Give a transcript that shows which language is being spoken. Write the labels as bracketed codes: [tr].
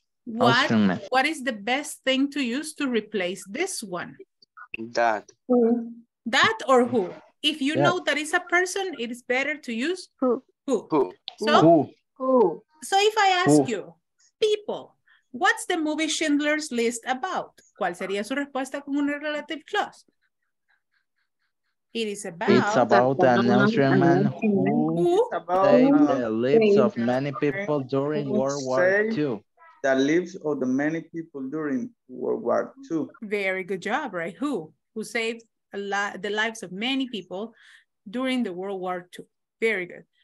[en] What is the best thing to use to replace this one? That. That or who? If you know that it's a person, it is better to use who. Who. So, who. So if I ask you, people, what's the movie Schindler's List about? [es] ¿Cuál sería su respuesta con una relative clause? [en] It's about an Austrian man who saved the lives of many people during World War II. The lives of the many people during World War II. Very good job, right? Who saved the lives of many people during the World War II. Very good.